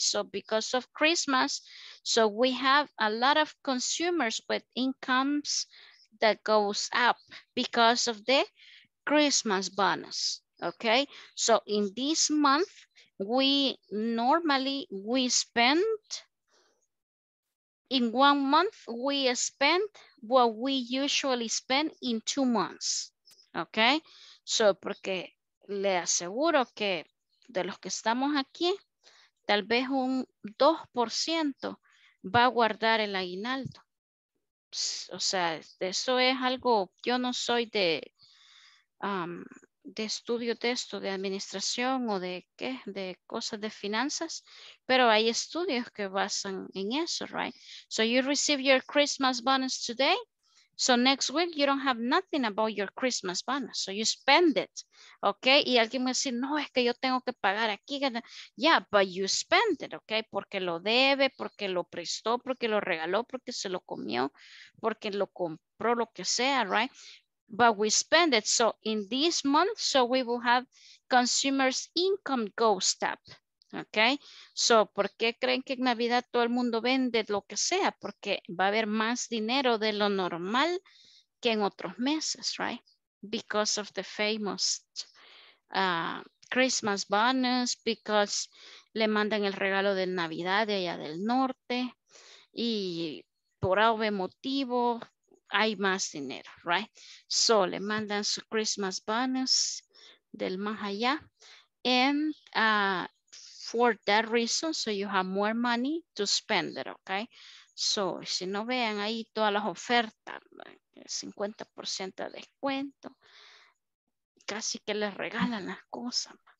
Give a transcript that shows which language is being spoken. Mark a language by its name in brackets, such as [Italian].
[English] So because of Christmas, so we have a lot of consumers with incomes that goes up because of the Christmas bonus, okay? So in this month, we normally, we spend, in 1 month, we spend what we usually spend in 2 months, okay? [Spanish] So, porque le aseguro que de los que estamos aquí, tal vez un 2% va a guardar el aguinaldo. O sea, eso es algo, yo no soy de estudio de esto, de administración o de qué, de cosas de finanzas, pero hay estudios que basan en eso, right? [English] So you receive your Christmas bonus today, so next week you don't have nothing about your Christmas bonus, so you spend it, okay? [Spanish] Y alguien me dice, no, es que yo tengo que pagar aquí, [English] yeah, but you spend it, okay? [Spanish] Porque lo debe, porque lo prestó, porque lo regaló, porque se lo comió, porque lo compró, lo que sea, right? [English] But we spend it, so in this month, so we will have consumers' income goes up, okay? [Spanish] So, ¿por qué creen que en Navidad todo el mundo vende lo que sea? Porque va a haber más dinero de lo normal que en otros meses, right? [English] Because of the famous Christmas bonus, because [Spanish] le mandan el regalo de Navidad de allá del norte, y por algún motivo, hay más dinero, right? So, le mandan su Christmas bonus del más allá. [English] And for that reason, so you have more money to spend it, okay? [Spanish] So, si no vean ahí todas las ofertas, 50% de descuento, casi que les regalan las cosas.